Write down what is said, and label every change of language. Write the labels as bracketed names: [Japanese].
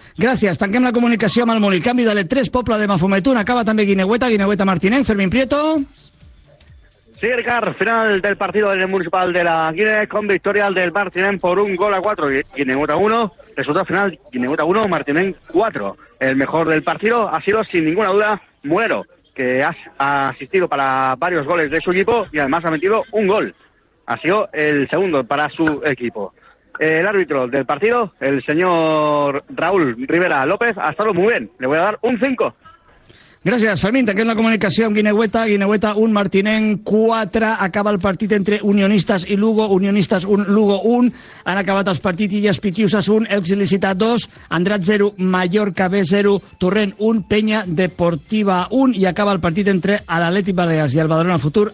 [Catalan] Gràcies, tanquem la comunicació amb el Molí. Canvi d'Alet 3, Pobla de Mafumet 1. Acaba també Guineueta Martinenc, Fermín Prieto. [Spanish] Sí, Ricard, final del partido del Municipal de la Guinea con victoria del Martinenc por 1-4. Guineueta 1, resultado final, Guineueta 1, Martinenc 4. El mejor del partido ha sido, sin ninguna duda, Muero. que ha asistido para varios goles de su equipo y además ha metido un gol. Ha sido el segundo para su equipo. El árbitro del partido, el señor Raúl Rivera López, ha estado muy bien. Le voy a dar un 5. Gracias, Fermín. [Catalan] Tenim la comunicació amb Guinegüeta. Guinegüeta 1, Martinenc 4. Acaba el partit entre Unionistes i Lugo. Unionistes 1, Lugo 1. Han acabat els partits. Illes Pitiuses 1, Elx Il·licita 2. Andrat 0, Mallorca B 0. Torrent 1, Penya Deportiva 1. I acaba el partit entre l'Atlètic Balears i el Badalona Futur.